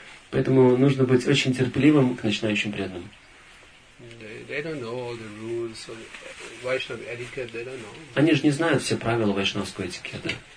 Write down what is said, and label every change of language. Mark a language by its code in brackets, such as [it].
[ru] Поэтому нужно быть очень терпеливым к начинающим преданным. [en] They don't know all the rules of Vaishnava etiquette, they don't know. [ru] Они же не знают все правила вайшнавского этикета.